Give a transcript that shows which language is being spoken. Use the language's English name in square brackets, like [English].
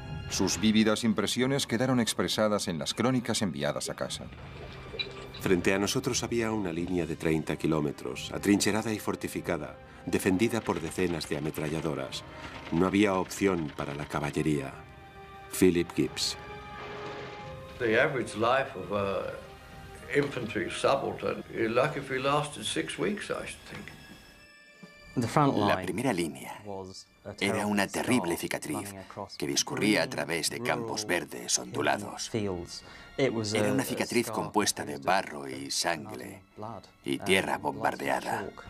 [Spanish] Sus vívidas impresiones quedaron expresadas en las crónicas enviadas a casa. Frente a nosotros había una línea de 30 kilómetros, atrincherada y fortificada, defendida por decenas de ametralladoras. No había opción para la caballería. Philip Gibbs. [English] The average life of a infantry subaltern, you're lucky if he lasted 6 weeks, I should think. [Spanish] La primera línea era una terrible cicatriz que discurría a través de campos verdes ondulados. Era una cicatriz compuesta de barro y sangre y tierra bombardeada.